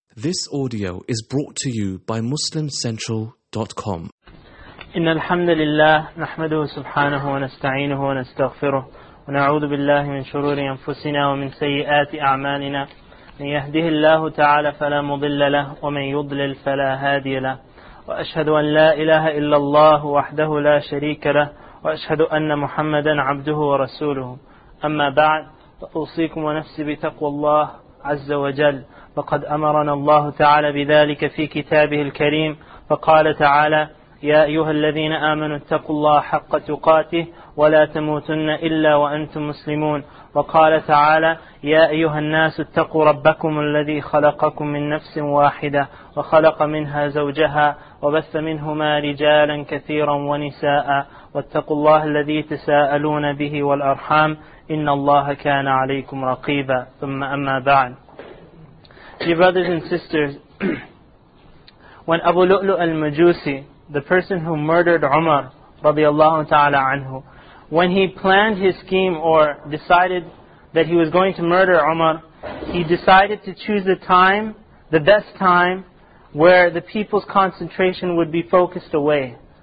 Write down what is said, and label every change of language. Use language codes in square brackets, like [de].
[en] This audio is brought to you by MuslimCentral.com. [ar] إن الحمد لله نحمده سبحانه ونستعينه ونستغفره ونعوذ بالله من شرور أنفسنا ومن سيئات أعمالنا من يهده الله تعالى فلا مضل له ومن يضلل فلا هادي له وأشهد أن لا إله إلا الله وحده لا شريك له وأشهد أن محمدا عبده ورسوله أما بعد فأوصيكم ونفسي بتقوى الله عز وجل فقد أمرنا الله تعالى بذلك في كتابه الكريم فقال تعالى يا أيها الذين آمنوا اتقوا الله حق تقاته ولا تموتن إلا وأنتم مسلمون وقال تعالى يا أيها الناس اتقوا ربكم الذي خلقكم من نفس واحدة وخلق منها زوجها وبث منهما رجالا كثيرا ونساء واتقوا الله الذي تساءلون به والأرحام إن الله كان عليكم رقيبا ثم أما بعد. [en] Dear brothers and sisters, when Abu Lu'lu' al-Majusi, the person who murdered Umar radiallahu ta'ala anhu, when he planned his scheme or decided that he was going to murder Umar, he decided to choose a time, the best time, where the people's concentration would be focused away.